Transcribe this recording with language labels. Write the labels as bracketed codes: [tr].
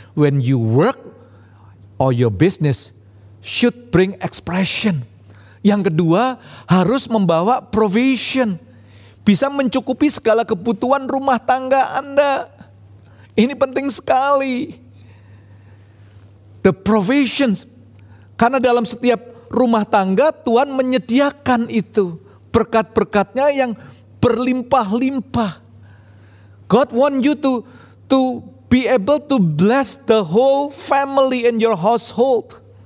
[en] When you work or your business should bring expression. [id] Yang kedua, harus membawa provision. Bisa mencukupi segala kebutuhan rumah tangga Anda. Ini penting sekali. [en] The provisions. [id] Karena dalam setiap rumah tangga, Tuhan menyediakan itu. Berkat-berkatnya yang berlimpah-limpah. [en] God want you to be able to bless the whole family in your household.